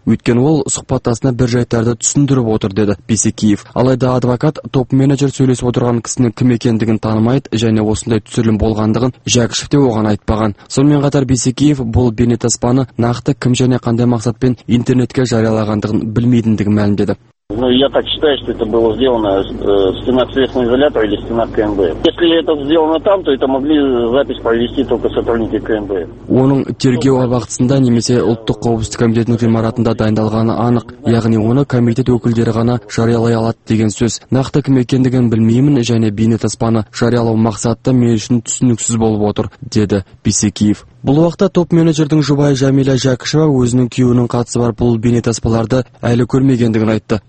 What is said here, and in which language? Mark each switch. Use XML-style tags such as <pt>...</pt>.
<kk>Өйткені ол сұхбаттасына бір жайттарды түсіндіріп отыр, деді Бисекеев. Алайда адвокат топ-менеджер сөйлесіп отырған кісінің кім екендігін танымайды және осындай түсірілім болғандығын Жәкішев те оған айтпаған. Сонымен қатар Бисекеев бұл бейнетаспаны нақты кім және қандай мақсатпен интернетке жариялағандығын білмейтіндігін мәлімдеді.</kk> <ru>Ну, я так считаю, что это было сделано в стенах следственного изолятора или в стенах КМБ. Если это сделано там, то это могли запись провести только сотрудники КМБ.</ru> <kk>Оның тергеу абақтысында немесе ұлттық қауіпсіздік комитетінің ғимаратында дайындалғаны анық, яғни оны комитет өкілдері ғана жариялай алады деген сөз. Нақты кім екендігін білмеймін және бейнетаспаны жариялау мақсаты мен үшін түсініксіз болып отыр, деді Бисекеев. Бұл уақытта топ-менеджердің жұбайы Жәмилә Жәкішева өзінің күйеуінің қатысы бар бұл бейнетаспаларды әлі көрмегендігін айтты.</kk>